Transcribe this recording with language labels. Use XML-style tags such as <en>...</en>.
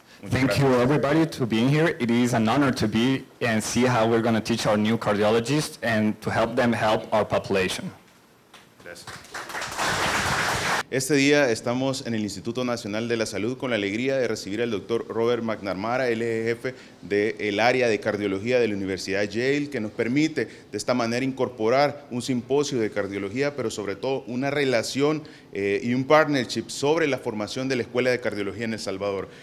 <en>Thank you everybody to being here. It is an honor to be and see how we're going to teach our new cardiologists and to help them help our population.</en> <es>Gracias. Este día estamos en el Instituto Nacional de la Salud con la alegría de recibir al doctor Robert McNamara, el jefe del área de cardiología de la Universidad Yale, que nos permite de esta manera incorporar un simposio de cardiología, pero sobre todo una relación y un partnership sobre la formación de la Escuela de Cardiología en El Salvador.</es>